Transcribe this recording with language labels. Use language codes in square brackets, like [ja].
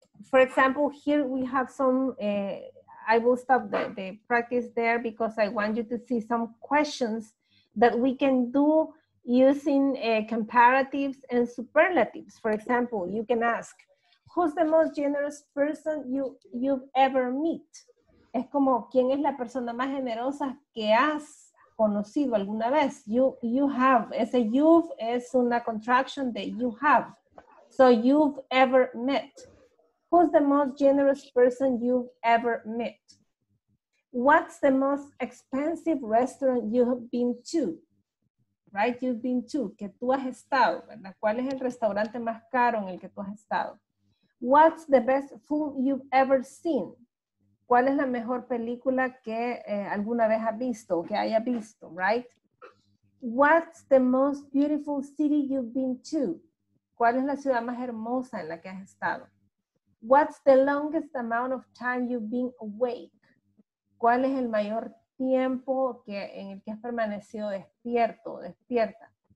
[en] For example, here we have some, I will stop the practice there because I want you to see some questions that we can do using comparatives and superlatives. For example, you can ask, who's the most generous person you've ever met? [es] Es como, ¿quién es la persona más generosa que has conocido alguna vez? [en] You have. [es] Ese you've es una contraction de you have. [en] So you've ever met. Who's the most generous person you've ever met? What's the most expensive restaurant you have been to? Right? You've been to. [es] Que tú has estado, ¿verdad? ¿Cuál es el restaurante más caro en el que tú has estado? [en] What's the best film you've ever seen? [es] ¿Cuál es la mejor película que alguna vez ha visto o que haya visto, right? [en] What's the most beautiful city you've been to? [es] ¿Cuál es la ciudad más hermosa en la que has estado? [en] What's the longest amount of time you've been awake? [es] ¿Cuál es el mayor tiempo que, en el que has permanecido despierto o despierta?